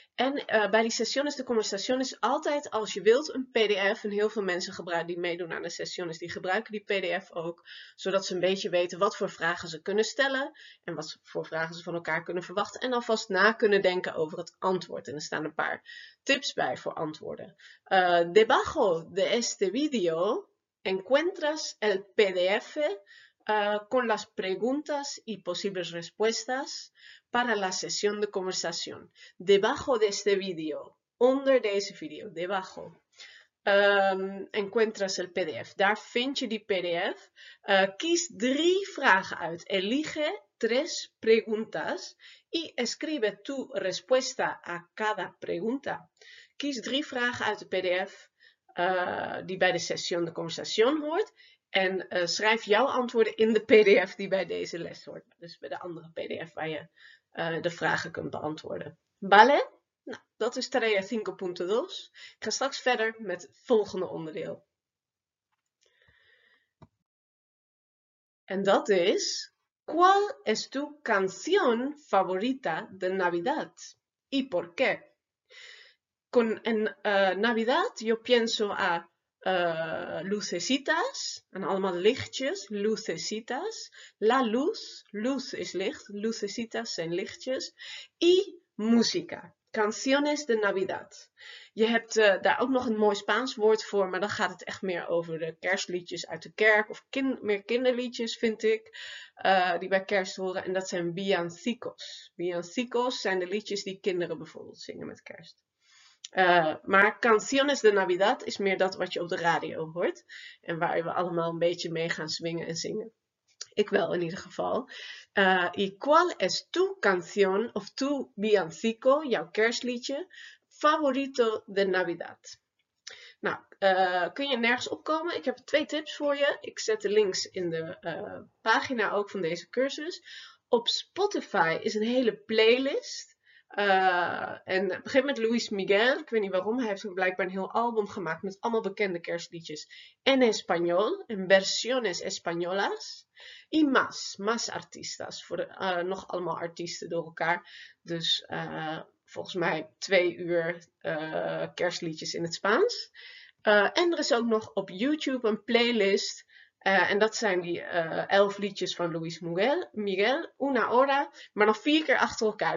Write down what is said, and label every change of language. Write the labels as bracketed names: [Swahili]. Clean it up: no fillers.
[Dutch] En bij die [Spanish] sesiones de conversación [Dutch] is altijd, als je wilt, een PDF. En heel veel mensen gebruiken die meedoen aan de sesiones, die gebruiken die PDF ook. Zodat ze een beetje weten wat voor vragen ze kunnen stellen. En wat voor vragen ze van elkaar kunnen verwachten. En alvast na kunnen denken over het antwoord. En er staan een paar tips bij voor antwoorden. [Spanish] Debajo de este video encuentras el PDF con las preguntas y posibles respuestas. Para la sesión de conversación. Debajo de este video. [Dutch] Onder deze video. [Spanish] Debajo. Encuentras el PDF. [Dutch] Daar vind je die PDF. Kies drie vragen uit. [Spanish] Elige tres preguntas. Y escribe tu respuesta a cada pregunta. [Dutch] Kies drie vragen uit de PDF. Die bij de [Spanish] sesión de conversación [Dutch] hoort. En schrijf jouw antwoorden in de PDF die bij deze les hoort. Dus bij de andere PDF waar je. De vragen kunt beantwoorden. Vale? Nou, dat is tarea 5.2. Ik ga straks verder met het volgende onderdeel. En dat is: [Spanish] ¿Cuál es tu canción favorita de Navidad? ¿Y por qué? En Navidad, yo pienso a lucecitas, [Dutch] aan allemaal lichtjes, [Spanish] lucecitas. La luz, [Dutch] luz is licht, lucecitas zijn lichtjes. [Spanish] Y música, canciones de Navidad. [Dutch] Je hebt daar ook nog een mooi Spaans woord voor, maar dan gaat het echt meer over de kerstliedjes uit de kerk, of meer kinderliedjes, vind ik, die bij kerst horen. En dat zijn villancicos. Villancicos zijn de liedjes die kinderen bijvoorbeeld zingen met kerst. Maar [Spanish] Canciones de Navidad [Dutch] is meer dat wat je op de radio hoort. En waar we allemaal een beetje mee gaan swingen en zingen. Ik wel in ieder geval. [Spanish] Y cuál es tu canción [Dutch] of [Spanish] tu villancico, [Dutch] jouw kerstliedje, [Spanish] favorito de Navidad? [Dutch] Nou, kun je nergens opkomen? Ik heb twee tips voor je. Ik zet de links in de pagina ook van deze cursus. Op Spotify is een hele playlist. En het begint met Luis Miguel. Ik weet niet waarom. Hij heeft blijkbaar een heel album gemaakt met allemaal bekende kerstliedjes. [Spanish] En español, en versiones españolas. Y más artistas. [Dutch] Voor de, nog allemaal artiesten door elkaar. Dus volgens mij 2 uur kerstliedjes in het Spaans. En er is ook nog op YouTube een playlist. En dat zijn die 11 liedjes van Luis Miguel, Una Hora, maar dan 4 keer achter elkaar.